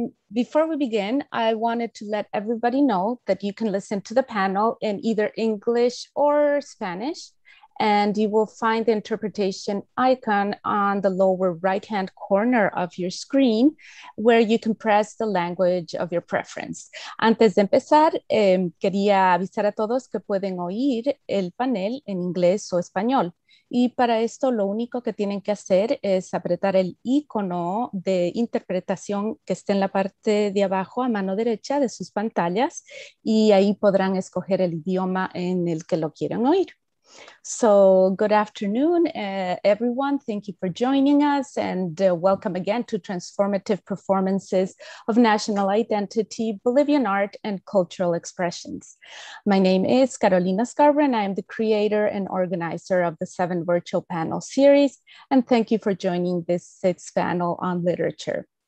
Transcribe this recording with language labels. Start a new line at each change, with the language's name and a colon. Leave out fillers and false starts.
English: Before we begin, I wanted to let everybody know that you can listen to the panel in either English or Spanish, and you will find the interpretation icon on the lower right-hand corner of your screen, where you can press the language of your preference.
Spanish: Antes de empezar, quería avisar a todos que pueden oír el panel en inglés o español. Y para esto, lo único que tienen que hacer es apretar el icono de interpretación que está en la parte de abajo a mano derecha de sus pantallas, y ahí podrán escoger el idioma en el que lo quieran oír.
English: So, good afternoon, everyone. Thank you for joining us, and welcome again to Transformative Performances of National Identity, Bolivian Art and Cultural Expressions. My name is Carolina Scarborough, and I am the creator and organizer of the seven virtual panel series, and thank you for joining this sixth panel on literature.